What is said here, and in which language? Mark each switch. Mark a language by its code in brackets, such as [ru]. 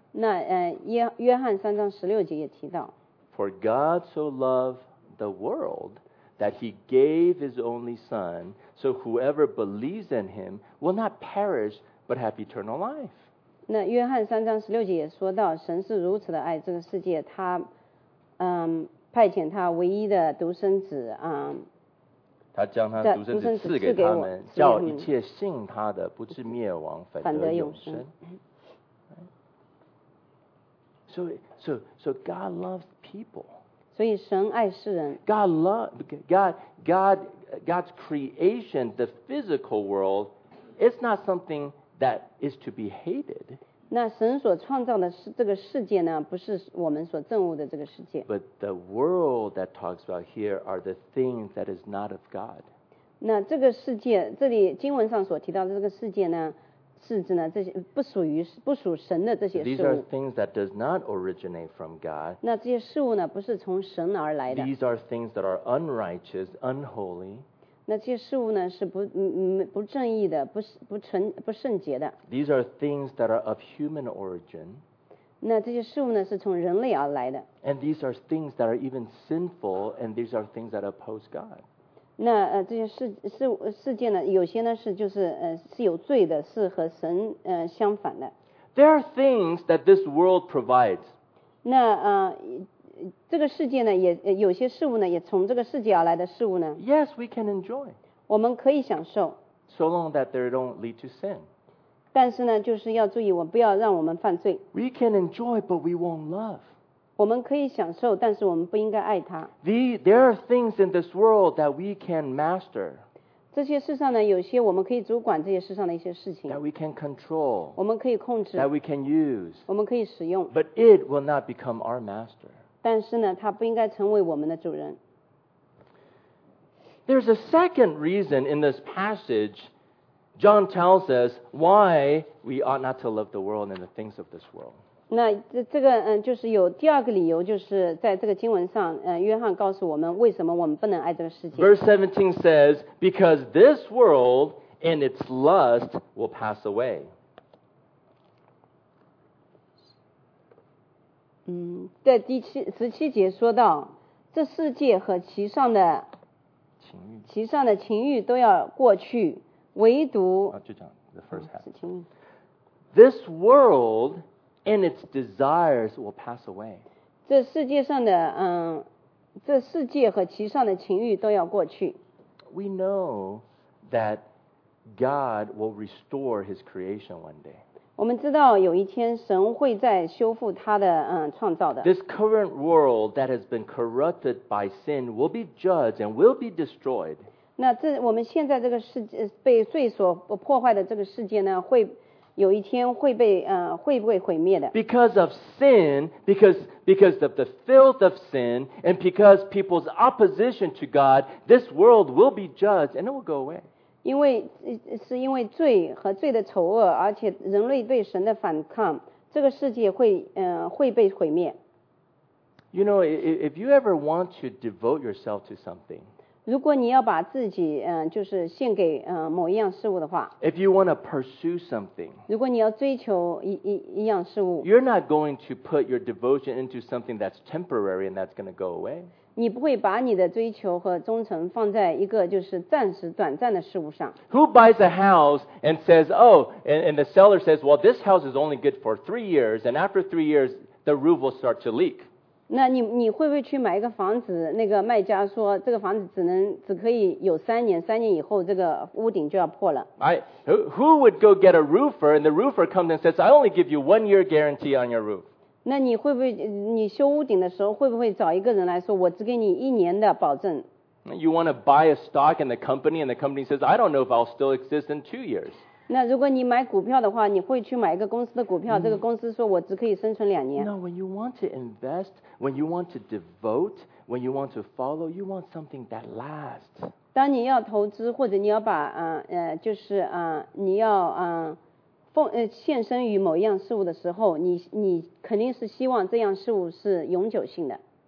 [zh] 那约翰三章十六节也提到。 [en] For God so loved the world that He gave His only Son, so whoever believes in Him will not perish but have eternal life. [zh] 那约翰三章十六节也说到，神是如此的爱这个世界，他派遣他唯一的独生子，他将他独生子赐给他们，叫一切信他的不至灭亡，反得永生。 [en] So God loves people. [zh] 所以神爱世人。 [en] God's creation, the physical world, is not something that is to be hated. [zh] 那神所创造的这个世界呢，不是我们所憎恶的这个世界。 [en] But the world that talks about here are the things that is not of God. [zh] 那这个世界，这里经文上所提到的这个世界呢，是指呢这些不属神的这些事物。 [en] These are things that does not originate from God. [zh] 那这些事物呢，不是从神而来的。 [en] These are things that are unrighteous, unholy. [zh] 那这些事物呢是 不正义的 不圣洁的。 [en] These are things that are of human origin. [zh] 那这些事物呢是从人类而来的。 [en] And these are things that are even sinful, and these are things that oppose God. [zh] 那这些 事件呢，有些呢是就是是有罪的，是和神相反的。 [en] There are things that this world provides. [zh] 那这个世界呢，也有些事物呢，也从这个世界而来的事物呢。 [en] Yes, we can enjoy. [zh] 我们可以享受。 [en] So long that they don't lead to sin. [zh] 但是呢，就是要注意，我不要让我们犯罪。 [en] We can enjoy, but we won't love. [zh] 我们可以享受，但是我们不应该爱它。 [en] There are things in this world that we can master. [zh] 这些世上呢，有些我们可以主管这些世上的一些事情。 [en] That we can control. [zh] 我们可以控制。 [en] That we can use. [zh] 我们可以使用。 [en] But it will not become our master. [zh] 但是呢，它不应该成为我们的主人。 [en] There's a second reason in this passage, John tells us why we ought not to love the world and the things of this world. [zh] 那这个就是有第二个理由，就是在这个经文上，约翰告诉我们为什么我们不能爱这个世界。 [en] Verse 17 says, because this world and its lust will pass away. [zh] 在第17节说到，这世界和其上的情欲都要过去，唯独就讲 [en] the first half. This world and its desires will pass away. [zh] 这世界上的这世界和其上的情欲都要过去。 [en] We know that God will restore His creation one day. [zh] 我们知道有一天神会在修复他的创造的。 [en] This current world that has been corrupted by sin will be judged and will be destroyed. [zh] 那这我们现在这个世界被罪所破坏的这个世界呢，会有一天会被会不会毁灭的 [en] ？Because of sin, because of the filth of sin, and because people's opposition to God, this world will be judged and it will go away. [zh] 因为是因为罪和罪的丑恶，而且人类对神的反抗，这个世界会会被毁灭。 [en] You know, if you ever want to devote yourself to something. [zh] 如果你要把自己就是献给某一样事物的话 [en] If you want to pursue something [zh] 如果你要追求一样事物 [en] You're not going to put your devotion into something that's temporary and that's going to go away [zh] 你不会把你的追求和忠诚放在一个就是暂时短暂的事物上 [en] Who buys a house and says oh and the seller says well this house is only good for 3 years and after 3 years the roof will start to leak [zh] 那 你会不会去买一个房子那个卖家说这个房子只可以有三年以后这个屋顶就要破了 [en] Who would go get a roofer and the roofer comes and says I only give you 1 year guarantee on your roof [zh] 那你会不会你修屋顶的时候会不会找一个人来说我只给你一年的保证 [en] You want to buy a stock in the company and the company says I don't know if I'll still exist in 2 years [zh] 那如果你买股票的话你会去买一个公司的股票、这个公司说我只可以生存两年 [en] No, when you want to investWhen you want to devote, when you want to follow, you want something that lasts. [zh] 当你要投资或者你要把就是你要献身于某一样事物的时候，你肯定是希望这样事物是永久性的。